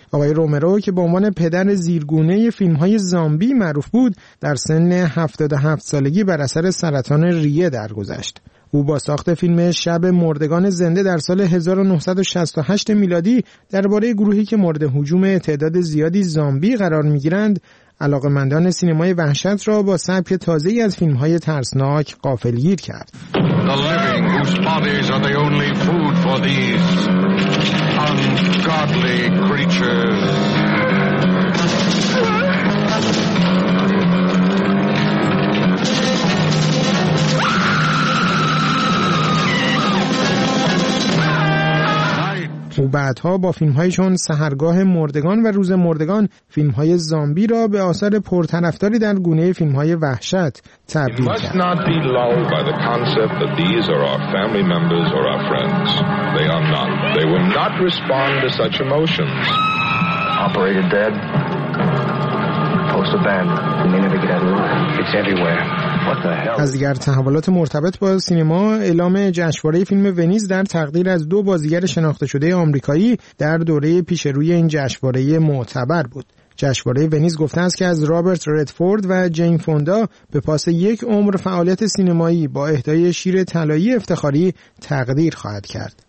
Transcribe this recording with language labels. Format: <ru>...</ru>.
<fa>آقای رومرو که به عنوان پدر زیرگونه فیلمهای زامبی معروف بود، در سن 77 سالگی بر اثر سرطان ریه درگذشت. او با ساخت فیلم شب مردگان زنده در سال 1968 میلادی درباره گروهی که مورد هجوم تعداد زیادی زامبی قرار می‌گیرند، علاقه‌مندان سینمای وحشت را با سبک تازه‌ای از فیلم‌های ترسناک غافلگیر کرد.</fa> <en>The living whose bodies are the only food for these ungodly creatures.</en> <fa>و بعدها با فیلم‌هایشون سحرگاه مردگان و روز مردگان فیلم‌های زامبی را به آثار پرطرفداری در گونه فیلم‌های وحشت تبدیل کرد.</fa> <en>Not be lulled by the concept that these are our family members or our friends. They are not. They will not respond to such emotions. Operated dead. Post abandoned. The minute they get out of the room, it's everywhere.</en> <fa>از دیگر تحولات مرتبط با سینما، اعلام جشنواره فیلم ونیز در تقدیر از دو بازیگر شناخته شده آمریکایی در دوره پیش روی این جشنواره معتبر بود. جشنواره ونیز گفته است که از رابرت ردفورد و جین فوندا به پاس یک عمر فعالیت سینمایی با اهدای شیر طلایی افتخاری تقدیر خواهد کرد.</fa>